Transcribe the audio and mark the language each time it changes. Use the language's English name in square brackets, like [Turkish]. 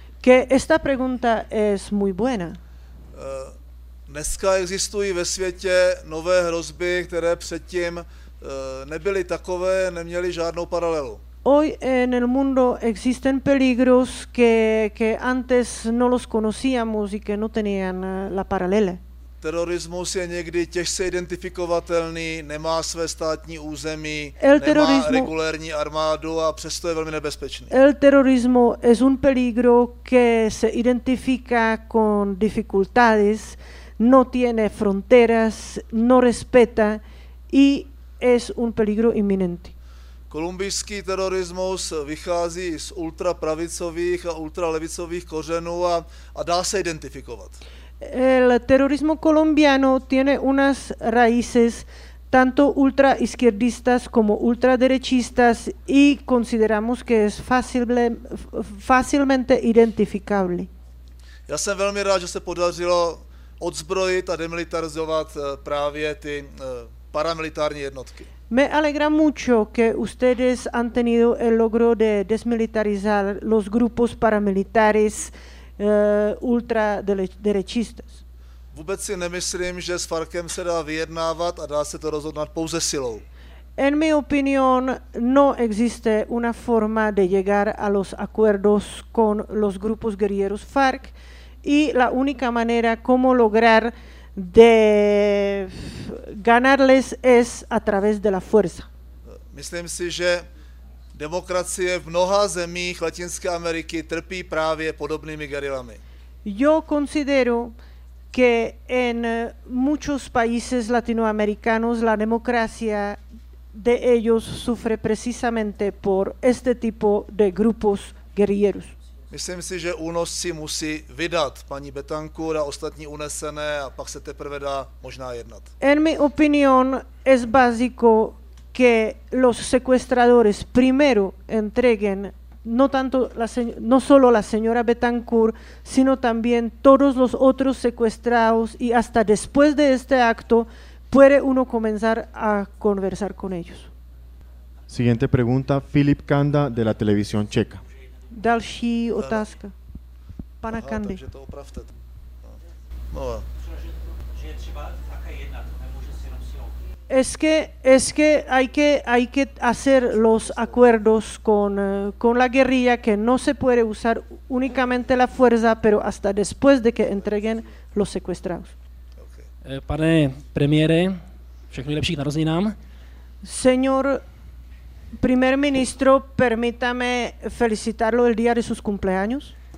[Spanish] Que esta pregunta es muy buena. [Czech] Dneska existují ve světě nové hrozby, které předtím nebyly takové, neměly žádnou paralelu. [Spanish] Hoy en el mundo existen peligros que antes no los conocíamos y que no tenían la paralela. [Czech] Terorismus je někdy těžce identifikovatelný, nemá své státní území, nemá regulérní armádu a přesto je velmi nebezpečný. [Spanish] El terrorismo es un peligro que se identifica con dificultades, no tiene fronteras, no respeta y es un peligro inminente. [Czech] Kolumbijský terorismus vychází z ultrapravicových a ultralevicových kořenů a dá se identifikovat. [Spanish] El terrorismo colombiano tiene unas raíces tanto ultraizquierdistas como ultraderechistas y consideramos que es fácilmente identificable. [Czech] Já jsem velmi rád, že se podařilo odzbrojit a demilitarizovat právě ty paramilitární jednotky. [Spanish] Me alegra mucho que ustedes han tenido el logro de desmilitarizar los grupos paramilitares ultraderechistas. [Czech] Vůbec si nemyslím, že s Farkem se dá vyjednávat a dá se to rozhodnout pouze silou. [Spanish] En mi opinión no existe una forma de llegar a los acuerdos con los grupos guerrilleros Farc y la única manera como lograr de ganarles es a través de la fuerza. [Czech] Myslím si, že demokracie v mnoha zemích Latinské Ameriky trpí právě podobnými gerilami. [Spanish] Yo considero que en muchos países latinoamericanos la democracia de ellos sufre precisamente por este tipo de grupos guerrilleros. [Czech] Myslím si, že únosci musí vydat paní Betancur a ostatní unesené a pak se teprve dá možná jednat. [Spanish] En mi opinión es básico que los secuestradores primero entreguen no tanto la no solo la señora Betancur, sino también todos los otros secuestrados y hasta después de este acto puede uno comenzar a conversar con ellos. Siguiente pregunta, Filip Kanda de la televisión checa. [Czech] Další otázka. Pana Kandy. Takže to opravte. No. No. [Spanish] Es que hay que hacer los acuerdos con la guerrilla que no se puede usar únicamente la fuerza, pero hasta después de que entreguen los secuestrados. [Czech] Pane premiére, všechno nejlepší k narozeninám. [Spanish] Señor primer ministro, permítame felicitarlo el día de sus cumpleaños.